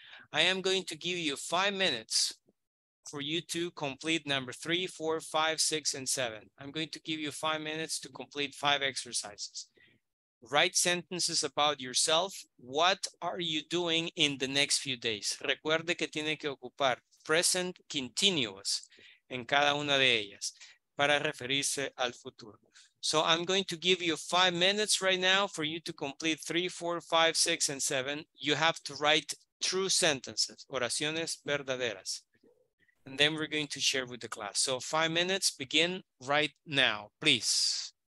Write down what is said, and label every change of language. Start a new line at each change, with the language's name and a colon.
English: I am going to give you 5 minutes for you to complete number 3, 4, 5, 6, and 7. I'm going to give you 5 minutes to complete 5 exercises. Write sentences about yourself. What are you doing in the next few days?
Spanish: Recuerde que tiene que ocupar present continuous en cada una de ellas para referirse al futuro.
English: So I'm going to give you 5 minutes right now for you to complete 3, 4, 5, 6, and 7. You have to write true sentences,
Spanish: oraciones verdaderas.
English: And then we're going to share with the class. So 5 minutes, begin right now, please.